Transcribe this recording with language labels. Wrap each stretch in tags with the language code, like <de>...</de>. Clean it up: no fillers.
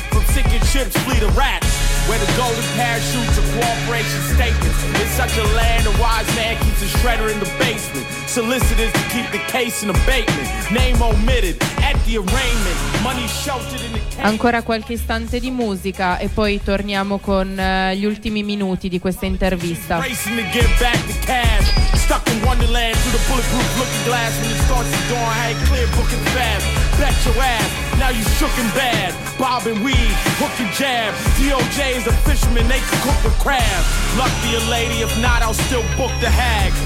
<en>From sinking ships flee the rats. Where the golden parachutes of cooperation statements. In such a land a wise man keeps a shredder in the basement. Solicitors to keep the case in abatement. Name omitted at the arraignment. Money sheltered in the case.</en> <it>Ancora qualche istante di musica e poi torniamo con gli ultimi minuti di questa intervista.</it> <en>Racing to give back the cash. Stuck in Wonderland through the bulletproof looking glass. When it starts to dawn, I ain't clear booking fast. Bet your ass, now you shook and bad. Bobbing weed, hooking jab. DOJ is a fisherman, they can cook a crab. Luck be a lady, if not, I'll still book the hag.</en>